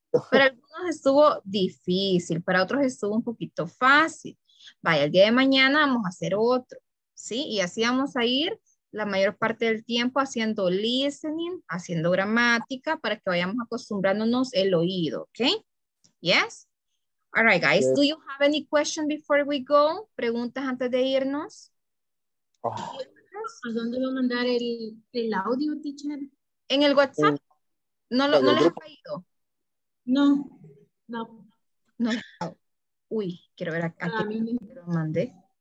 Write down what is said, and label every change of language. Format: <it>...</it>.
<es>Para algunos estuvo difícil, para otros estuvo un poquito fácil. Vaya, el día de mañana vamos a hacer otro. Sí, y así vamos a ir la mayor parte del tiempo haciendo listening, haciendo gramática, para que vayamos acostumbrándonos el oído, ¿ok? ¿Yes?</es> <en>All right, guys. Yes. Do you have any question before we go?</en> <es>Preguntas antes de irnos. ¿A dónde va a mandar el audio, teacher? En el WhatsApp. No les ha caído. No. No. Uy, quiero ver a quién lo mandé.</es>